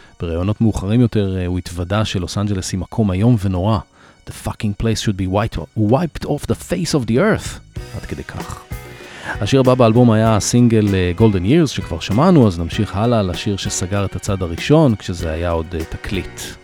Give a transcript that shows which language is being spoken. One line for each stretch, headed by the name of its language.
Hebrew: ברעיונות מאוחרים יותר הוא התוודה של לוס אנג'לס היא מקום היום ונורא.
English: The fucking place should be wiped off the face of the earth.
Hebrew: עד כדי כך. השיר הבא באלבום היה הסינגל Golden Years שכבר שמענו, אז נמשיך הלאה לשיר שסגר את הצד הראשון כשזה היה עוד תקליט.